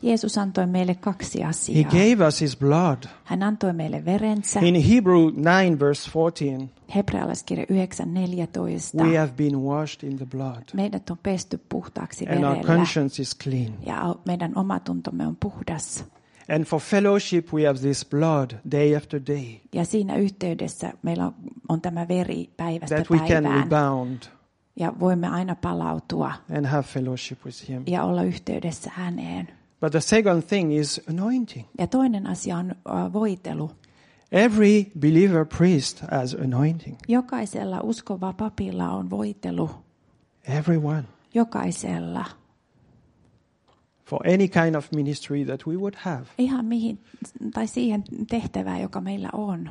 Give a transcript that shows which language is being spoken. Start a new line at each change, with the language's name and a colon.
Finnish: Jeesus antoi meille kaksi asiaa.
English: He gave us his blood.
Finnish: Hän antoi meille verensä.
English: In Hebrews 9 verse 14.
Finnish: Hebrealaiskirja 9:14.
English: We have been washed in the blood.
Finnish: Meidät on pesty puhtaaksi verellä.
English: And our conscience is clean.
Finnish: Ja meidän omatuntomme on puhdas.
English: And for fellowship we have this blood day after day.
Finnish: Ja siinä yhteydessä meillä on tämä veri päivästä päivään.
English: That we can rebound.
Finnish: Ja voimme aina palautua.
English: And have fellowship with him.
Finnish: Ja olla yhteydessä häneen.
English: But the second thing is anointing.
Finnish: Ja toinen asia on voitelu.
English: Every believer priest has anointing.
Finnish: Jokaisella uskova papilla on voitelu.
English: Everyone.
Finnish: Jokaisella.
English: For any kind of ministry that we would have.
Finnish: Ihan mihin tai siihen tehtävään, joka meillä on.